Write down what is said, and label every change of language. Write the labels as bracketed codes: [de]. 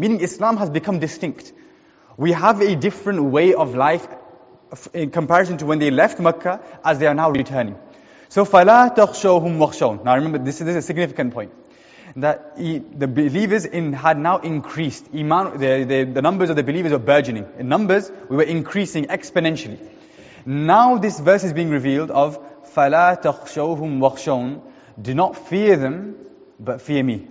[en] Meaning Islam has become distinct. We have a different way of life in comparison to when they left Mecca as they are now returning. [ar] So, فَلَا تَخْشَوْهُمْ وَخْشَوْنَ. [en] Now remember, this is a significant point. That the believers had now increased. Iman, the numbers of the believers were burgeoning. In numbers, we were increasing exponentially. Now this verse is being revealed of [ar] فَلَا تَخْشَوْهُمْ وَخْشَوْنَ. [en] Do not fear them, but fear me.